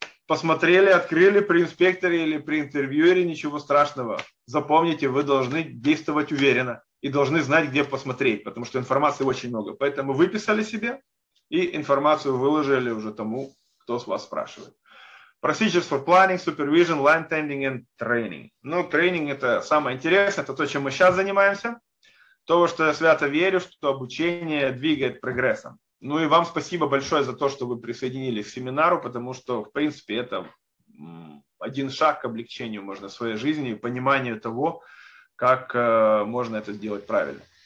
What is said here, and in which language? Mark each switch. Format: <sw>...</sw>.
<ru>Посмотрели, открыли при инспекторе или при интервьюере, ничего страшного. Запомните, вы должны действовать уверенно и должны знать, где посмотреть, потому что информации очень много. Поэтому выписали себе и информацию выложили уже тому, кто с вас спрашивает.</ru> <en>Procedures for planning, supervision, line tending and training.</en> <ru>Ну, training – это самое интересное, это то, чем мы сейчас занимаемся. То, что я свято верю, что обучение двигает прогрессом. Ну и вам спасибо большое за то, что вы присоединились к семинару, потому что, в принципе, это один шаг к облегчению, можно, своей жизни и пониманию того, как можно это сделать правильно.</ru>